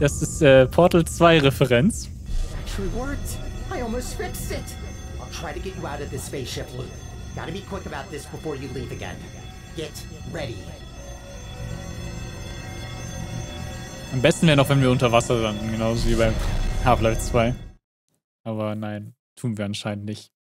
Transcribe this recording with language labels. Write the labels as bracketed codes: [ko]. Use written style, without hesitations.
[de] Das ist Portal 2 Referenz. [en] It actually worked. I almost fixed it. I'll try to get you out of this spaceship loop. Gotta be quick about this before you leave again. Get ready. [de] Am besten wäre noch, wenn wir unter Wasser landen, genauso wie bei Half-Life 2. Aber nein, tun wir anscheinend nicht.